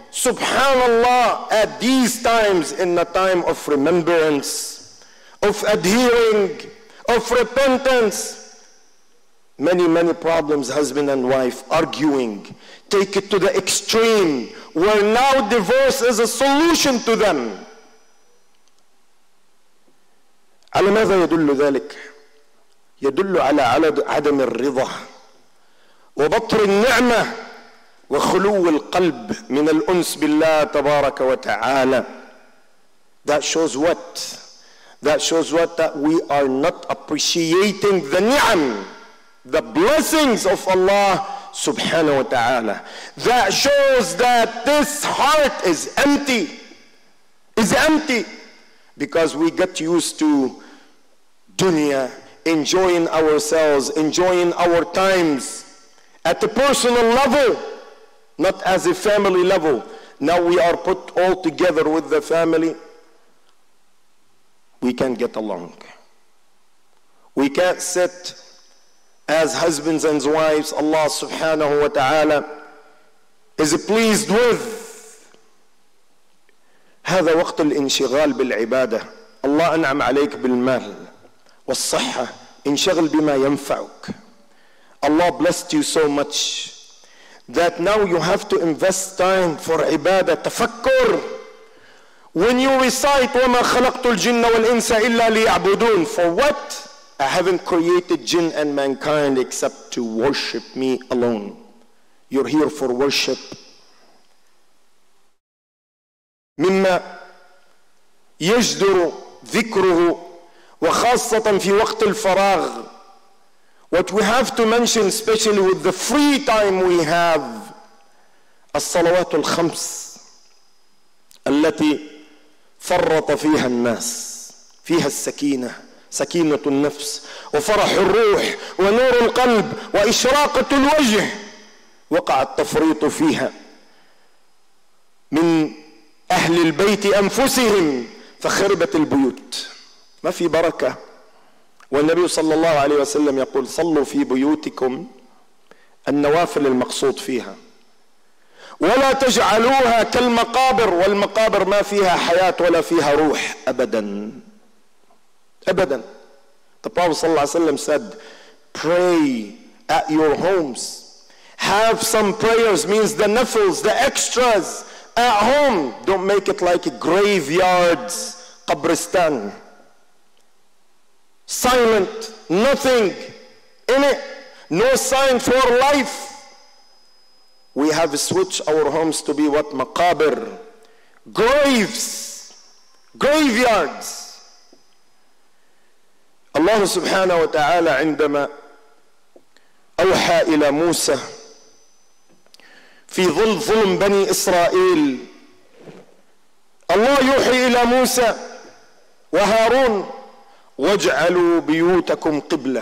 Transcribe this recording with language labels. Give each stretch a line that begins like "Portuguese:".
English: Subhanallah, at these times, in the time of remembrance, of adhering, of repentance, many, many problems, husband and wife arguing, take it to the extreme, where now divorce is a solution to them.
Arabic: على ماذا يدل ذلك؟ يدل على عدم الرضا وبطر النعمة وخلو القلب من الأنس بالله تبارك وتعالى.
English: That shows what? That shows what? That we are not appreciating the ni'am, the blessings of Allah subhanahu wa ta'ala. That shows that this heart is empty. Is empty. Because we get used to dunya, enjoying ourselves, enjoying our times at a personal level, not as a family level. Now we are put all together with the family, we can't get along. We can't sit as husbands and wives Allah subhanahu wa ta'ala is pleased with.
Arabic: هذا وقت الانشغال بالعبادة. الله أنعم عليك بالمال والصحة، انشغل بما ينفعك.
English: Allah blessed you so much that now you have to invest time for ibadah, tafakkur. When you recite
Arabic: وَمَا خَلَقْتُ الْجِنَّ وَالْإِنسَ إِلَّا لِيَعْبُدُونَ,
English: for what? I haven't created jinn and mankind except to worship me alone. You're here for worship.
Arabic: مِمَّا يَجْدُرُ ذِكْرُهُ وخاصة في وقت الفراغ.
English: What we have to mention especially with the free time we have,
Arabic: الصلوات الخمس التي فرط فيها الناس، فيها السكينة، سكينة النفس وفرح الروح ونور القلب وإشراقة الوجه، وقع التفريط فيها من أهل البيت أنفسهم فخربت البيوت، ما في بركة. والنبي صلى الله عليه وسلم يقول صلوا في بيوتكم، النوافل المقصود فيها، ولا تجعلوها كالمقابر، والمقابر ما فيها حياة ولا فيها روح أبدا أبدا.
English: The Prophet صلى الله عليه وسلم said pray at your homes, have some prayers, means the nafils, the extras at home, don't make it like graveyards, قبرستان. Silent, nothing in it, no sign for life. We have switched our homes to be what? Maqabir, graves, graveyards.
Arabic: Allah subhanahu wa ta'ala عندما أوحى إلى موسى في ظل ظلم بني إسرائيل، الله يوحي إلى موسى وهارون واجعلوا بيوتكم قبلة.